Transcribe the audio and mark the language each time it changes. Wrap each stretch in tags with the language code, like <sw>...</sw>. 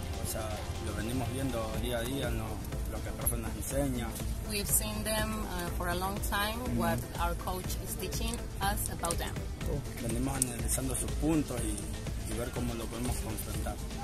<es>sea, lo venimos viendo día a día, ¿no? Lo que el profe nos enseña.</es> <en>We've seen them for a long time, what our coach is teaching us about them.</en> <es>Venimos analizando sus puntos y, y ver cómo lo podemos confrontar.</es>